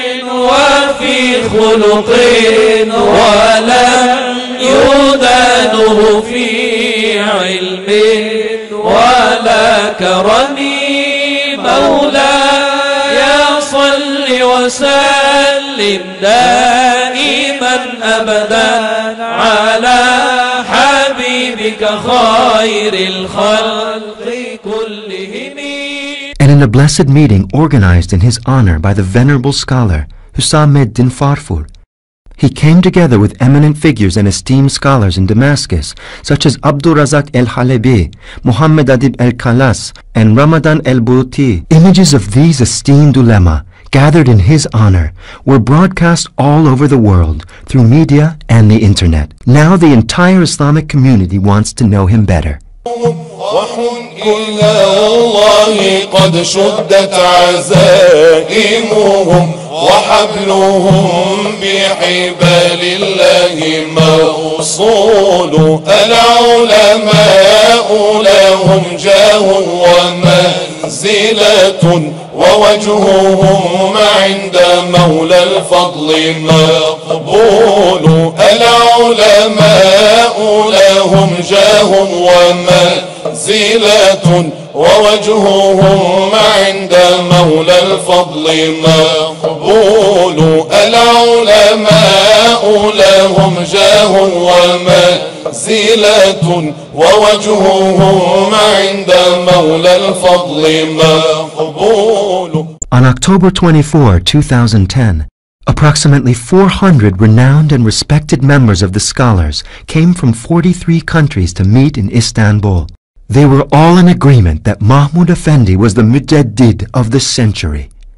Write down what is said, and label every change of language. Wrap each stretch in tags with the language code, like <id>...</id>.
<ar>وفي خلق ولم يدانه في علم ولا كرم مولاي صل وسلم دائما أبدا على حبيبك خير الخلق كلهم.</ar> <en>And in a blessed meeting organized in his honor by the venerable scholar Hussam ed-Din Farfur, he came together with eminent figures and esteemed scholars in Damascus, such as Abdul Razak el-Halebi, Muhammad Adib el-Kalas, and Ramadan el-Buti. Images of these esteemed ulema, gathered in his honor, were broadcast all over the world through media and the internet. Now the entire Islamic community wants to know him better.</en> <ar>كلا والله قد شدت عزائمهم وحبلهم بحبال الله موصول العلماء لهم جاه ومنزلة ووجههم عند مولى الفضل مقبول العلماء لهم جاه ومنزلة مغفلة ووجههم عند مولى الفضل مقبول العلماء لهم جاه ومنزلة ووجههم عند مولى الفضل مقبول.</ar> <en>On October 24, 2010, approximately 400 renowned and respected members of the scholars came from 43 countries to meet in Istanbul. They were all in agreement that Mahmud Effendi was the mujaddid of the century.</en>